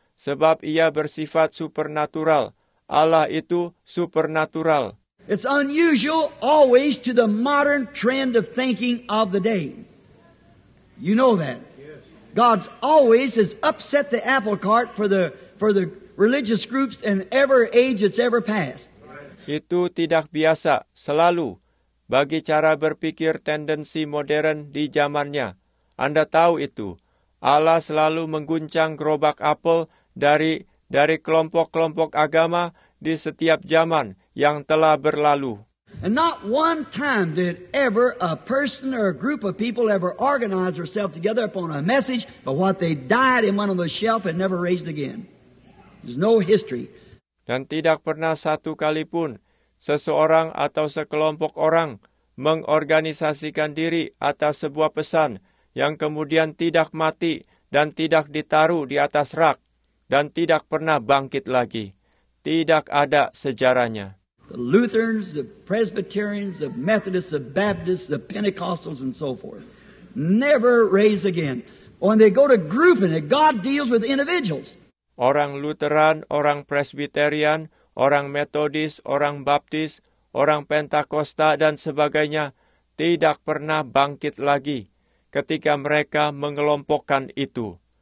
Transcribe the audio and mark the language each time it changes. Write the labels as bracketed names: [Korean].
[Indonesian] Sebab ia bersifat supernatural. Allah itu supernatural. [English] It's unusual always to the modern trend of thinking of the day. You know that. God's always has upset the apple cart for the religious groups in every age that's ever passed. [Indonesian] Itu tidak biasa, selalu, bagi cara berpikir tendensi modern di zamannya. Anda tahu itu. Allah selalu mengguncang gerobak apel dari kelompok-kelompok agama di setiap zaman yang telah berlalu. [English] And not one time did ever a person or a group of people ever organize herself together upon a message, but what they died in one of those shelf and never raised again. There's no history. [Indonesian] Dan tidak pernah satu kali pun seseorang atau sekelompok orang mengorganisasikan diri atas sebuah pesan yang kemudian tidak mati dan tidak ditaruh di atas rak dan tidak pernah bangkit lagi. Tidak ada sejarahnya. [English] The Lutherans, the Presbyterians, the Methodists, the Baptists, the Pentecostals, and so forth. Never raise again. When they go to grouping it, God deals with individuals. [Indonesian] Orang Lutheran, orang Presbyterian, orang Methodist, orang Baptist, orang Pentakosta, dan sebagainya tidak pernah bangkit lagi ketika mereka mengelompokkan itu.